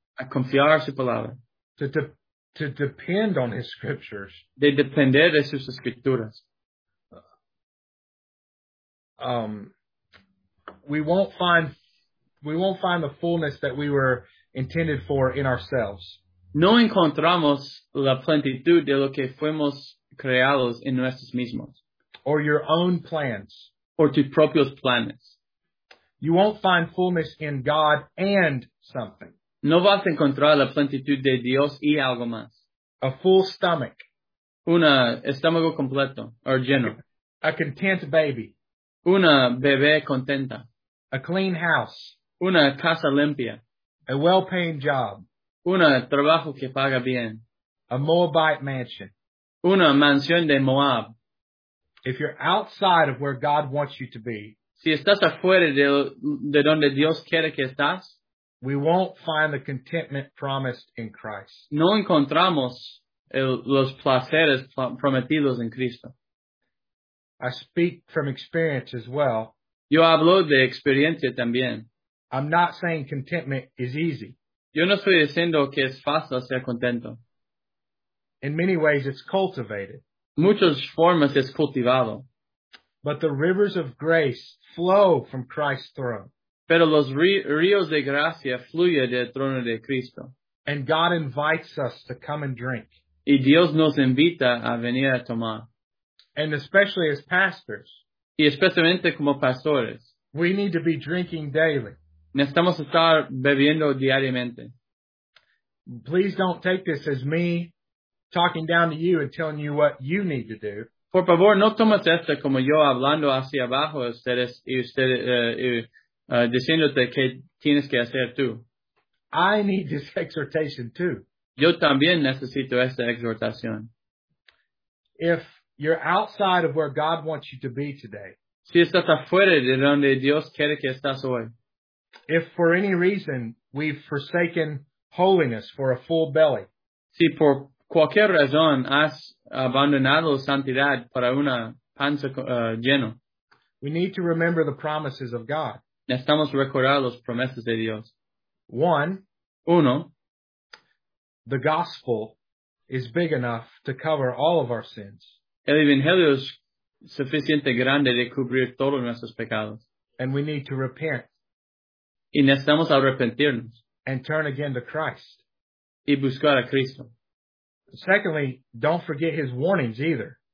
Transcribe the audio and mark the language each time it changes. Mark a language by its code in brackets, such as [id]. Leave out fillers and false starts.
[es] A confiar su palabra. [en] To depend on His scriptures. [es] De depender de sus escrituras. [en] We won't find the fullness that we were intended for in ourselves. [es] No encontramos la plenitud de lo que fuimos creados en nosotros mismos. [en] Or your own plans. [es] Or tus propios planes. [en] You won't find fullness in God and something. [es] No vas a encontrar la plenitud de Dios y algo más. [en] A full stomach. [es] Un estómago completo, or lleno. [en] A content baby. [es] Una bebé contenta. [en] A clean house. [es] Una casa limpia. [en] A well-paying job. [es] Un trabajo que paga bien. [en] A Moabite mansion. [es] Una mansión de Moab. [en] If you're outside of where God wants you to be, [es] si estás afuera de donde Dios quiere que estás, [en] we won't find the contentment promised in Christ. [es] No encontramos los placeres prometidos en Cristo. [en] I speak from experience as well. [es] Yo hablo de experiencia también. [en] I'm not saying contentment is easy. [es] Yo no estoy diciendo que es fácil ser contento. [en] In many ways, it's cultivated. [es] Muchas formas es cultivado. [en] But the rivers of grace flow from Christ's throne. [es] Pero los ríos de gracia fluyen del trono de Cristo. [en] And God invites us to come and drink. [es] Y Dios nos invita a venir a tomar. [en] And especially as pastors. [es] Y especialmente como pastores. [en] We need to be drinking daily. [es] Necesitamos estar bebiendo diariamente. [en] Please don't take this as me talking down to you and telling you what you need to do. [es] Por favor, no tomes esto como yo hablando hacia abajo a ustedes y diciéndote qué tienes que hacer tú. [en] I need this exhortation too. [es] Yo también necesito esta exhortación. [en] If you're outside of where God wants you to be today, [es] si estás afuera de donde Dios quiere que estás hoy, [en] if for any reason we've forsaken holiness for a full belly, [es] si por cualquier razón has abandonado santidad para una panza lleno, [en] We need to remember the promises of God. [es] Necesitamos recordar las promesas de Dios. Uno. [en] The gospel is big enough to cover all of our sins. [es] El evangelio es suficiente grande de cubrir todos nuestros pecados. [en] And we need to repent. [es] Y necesitamos arrepentirnos. [en] And turn again to Christ. [es] Y buscar a Cristo. [en] Secondly, don't forget his warnings either.